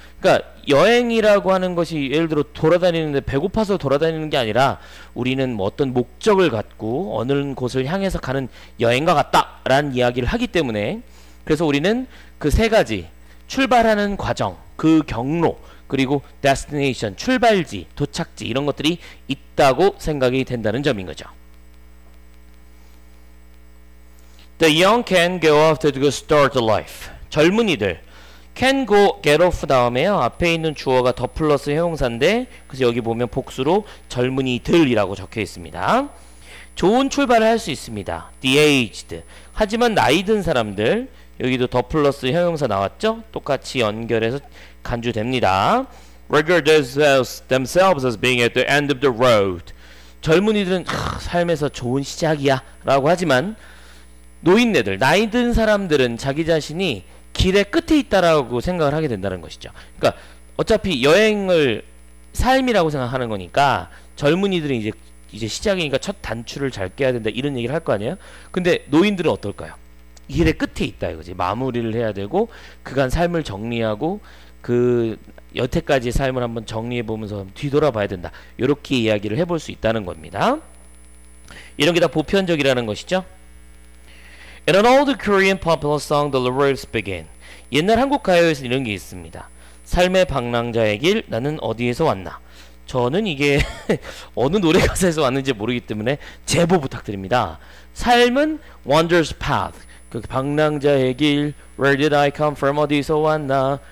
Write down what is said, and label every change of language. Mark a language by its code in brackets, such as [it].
[ko] 그러니까 여행이라고 하는 것이 예를 들어 돌아다니는데 배고파서 돌아다니는 게 아니라 우리는 뭐 어떤 목적을 갖고 어느 곳을 향해서 가는 여행과 같다라는 이야기를 하기 때문에 그래서 우리는 그 세 가지 출발하는 과정, 그 경로, 그리고 destination, 출발지, 도착지 이런 것들이 있다고 생각이 된다는 점인 거죠. [en] The young can go off to go start a life. [ko] 젊은이들 [en] can go get off [ko] 다음에요. 앞에 있는 주어가 더 플러스 형용사인데 그래서 여기 보면 복수로 젊은이들이라고 적혀 있습니다. 좋은 출발을 할 수 있습니다. [en] The aged. [ko] 하지만 나이 든 사람들 여기도 더 플러스 형용사 나왔죠? 똑같이 연결해서 간주됩니다. [en] Regard themselves as being at the end of the road. [ko] 젊은이들은 삶에서 좋은 시작이야 라고 하지만 노인네들, 나이 든 사람들은 자기 자신이 길의 끝에 있다라고 생각을 하게 된다는 것이죠. 그러니까 어차피 여행을 삶이라고 생각하는 거니까 젊은이들은 이제 시작이니까 첫 단추를 잘 깨야 된다 이런 얘기를 할 거 아니에요. 근데 노인들은 어떨까요? 길의 끝에 있다 이거지. 마무리를 해야 되고 그간 삶을 정리하고 그 여태까지의 삶을 한번 정리해 보면서 뒤돌아 봐야 된다 이렇게 이야기를 해볼 수 있다는 겁니다. 이런 게 다 보편적이라는 것이죠. [en] In an old Korean popular song, the lyrics begin. [ko] 옛날 한국 가요에서 이런 게 있습니다. 삶의 방랑자의 길, 나는 어디에서 왔나? 저는 이게 어느 노래 가사에서 왔는지 모르기 때문에 제보 부탁드립니다. 삶은 [en] wanderer's path, [ko] 그 방랑자의 길, [en] where did I come from, [ko] 어디서 왔나?